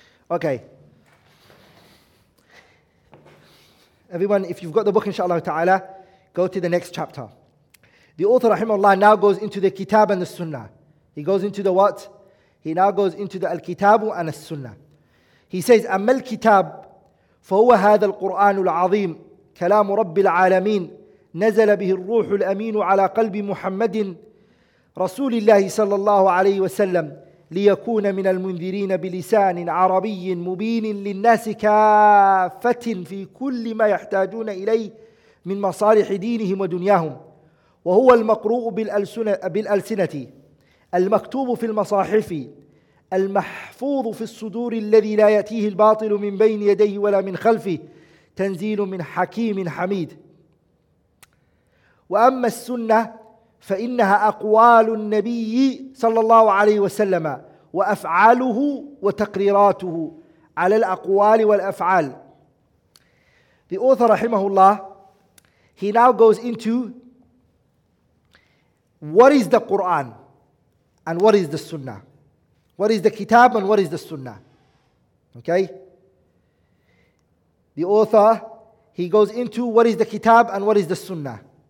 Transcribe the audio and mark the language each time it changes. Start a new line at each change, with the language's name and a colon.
English: Okay. Everyone, if you've got the book, inshallah ta'ala, go to the next chapter. The author, rahimahullah, now goes into the kitab and the sunnah. He goes into the what? He now goes into the al-kitabu and the sunnah. He says,
Arabic: أَمَّا الْكِتَابُ فَهُوَ هَذَا الْقُرْآنُ الْعَظِيمُ كَلَامُ رَبِّ الْعَالَمِينَ نَزَلَ بِهِ الرُّوحُ الْأَمِينُ عَلَى قَلْبِ مُحَمَّدٍ رَسُولِ اللَّهِ صَلَّى اللَّهُ عَلَيْهِ وَسَلَّمُ لِيَكُونَ مِنَ الْمُنذِرِينَ بِلِسَانٍ عَرَبِيٍّ مُبِينٍ لِلنَّاسِ كَافَةٍ فِي كُلِّ مَا يَحْتَاجُونَ إِلَيْهِ مِنْ مَصَالِحِ دِينِهِمْ وَدُنْيَاهُمْ وهو المقروء بالألسنة المكتوب في المصاحف المحفوظ في الصدور الذي لا يأتيه الباطل من بين يديه ولا من خلفه تنزيل من حكيم حميد وأما السنة فإنها أقوال النبي صلى الله عليه وسلم وأفعاله وتقريراته على الأقوال والأفعال.
English: The author, رحمه الله, he now goes into what is the Quran and what is the Sunnah? What is the Kitab and what is the Sunnah? Okay? The author, he goes into what is the Kitab and what is the Sunnah.